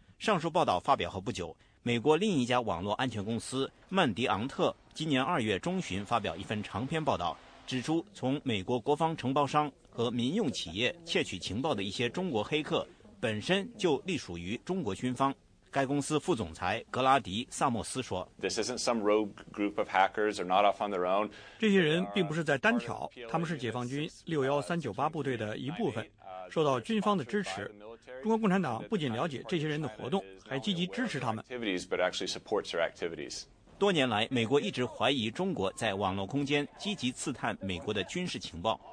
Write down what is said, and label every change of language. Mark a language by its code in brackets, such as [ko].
[zh] 上述报道发表后不久，美国另一家网络安全公司曼迪昂特今年2月中旬发表一份长篇报道，指出从美国国防承包商和民用企业窃取情报的一些中国黑客本身就隶属于中国军方。该公司副总裁格拉迪·萨莫斯说， [en] This isn't some rogue group of hackers, they're not off on their own. [zh] 这些人并不是在单挑，他们是解放军61398部队的一部分，受到军方的支持。中国共产党不仅了解这些人的活动，还积极支持他们。多年来，美国一直怀疑中国在网络空间积极刺探美国的军事情报。